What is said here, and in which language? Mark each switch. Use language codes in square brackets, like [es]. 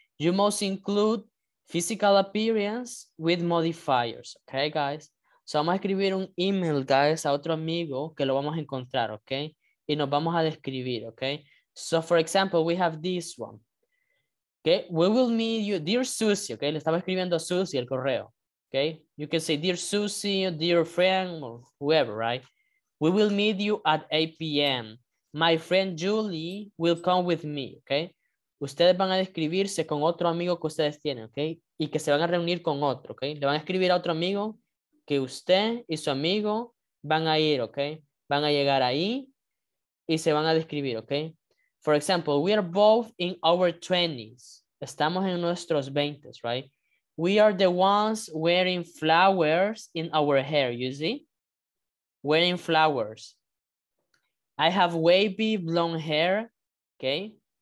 [en] You must include physical appearance with modifiers, okay, guys? [es] So, vamos a escribir un email, guys, a otro amigo que lo vamos a encontrar, okay? Y nos vamos a describir, okay? [en] So, for example, we have this one. Okay, we will meet you, dear Susie, okay? [es] Le estaba escribiendo a Susie el correo, okay? [en] You can say, dear Susie, dear friend, or whoever, right? We will meet you at 8 p.m. My friend Julie will come with me, okay? [es] Ustedes van a describirse con otro amigo que ustedes tienen, okay? Y que se van a reunir con otro, okay? Le van a escribir a otro amigo que usted y su amigo van a ir, okay? Van a llegar ahí y se van a describir, okay? [en] For example, we are both in our 20s. [es] Estamos en nuestros 20s, [en] right? We are the ones wearing flowers in our hair, you see? Wearing flowers. I have wavy blonde hair, okay?